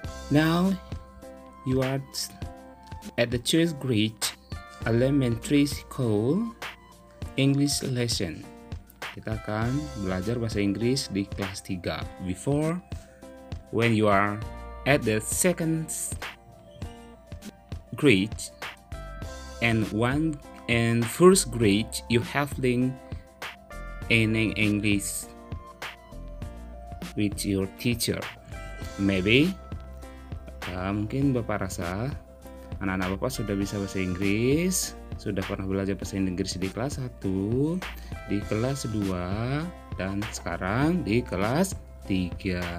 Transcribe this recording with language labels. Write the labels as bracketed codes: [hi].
[en] Now you are at the 12th grade elementary school English lesson. [id] Kita akan belajar bahasa Inggris di kelas 3. [en] Before, when you are at the second grade and first grade, you have learned in English with your teacher. [id] Maybe, mungkin Bapak rasa anak-anak Bapak sudah bisa bahasa Inggris. Sudah pernah belajar bahasa Inggris di kelas 1, di kelas 2, dan sekarang di kelas 3.